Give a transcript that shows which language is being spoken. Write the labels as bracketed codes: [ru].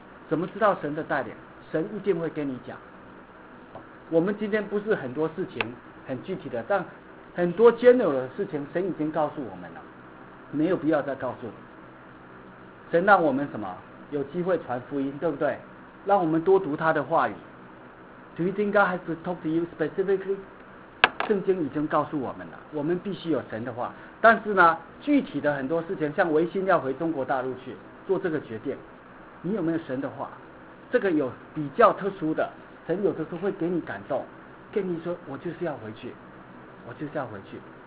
[zh] 怎么知道神的带领？神一定会跟你讲。我们今天不是很多事情很具体的，但很多 general 的事情神已经告诉我们了，没有必要再告诉你。神让我们什么有机会传福音，对不对？让我们多读他的话语。 [en] Do you think God has to talk to you specifically? [zh] 圣经已经告诉我们了，我们必须有神的话。但是呢，具体的很多事情，像维新要回中国大陆去做这个决定，你有没有神的话？这个有比较特殊的，神有的时候会给你感动，跟你说我就是要回去，我就是要回去。